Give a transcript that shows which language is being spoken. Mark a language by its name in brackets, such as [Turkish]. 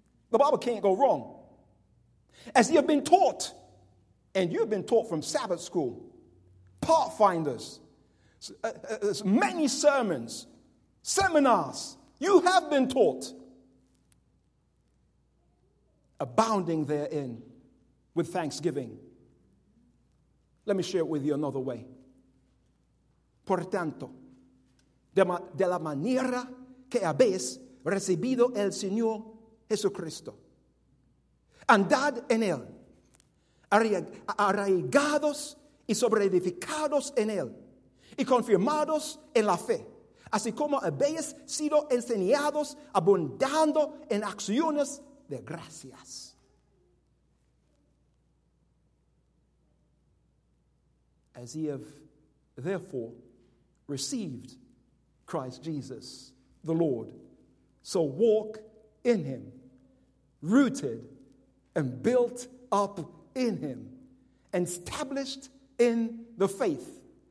[English] The Bible can't go wrong. As you have been taught, and you have been taught from Sabbath school, pathfinders, many sermons, seminars, you have been taught, abounding therein with thanksgiving. Let me share it with you another way. [Spanish] Por tanto, de la manera que habéis recibido el Señor Jesucristo, andad en él, arraigados y sobreedificados en él, y confirmados en la fe, así como habéis sido enseñados abundando en acciones de gracias. [English] As ye have therefore received Christ Jesus the Lord, so walk in him, rooted and built up in him, and established in the faith.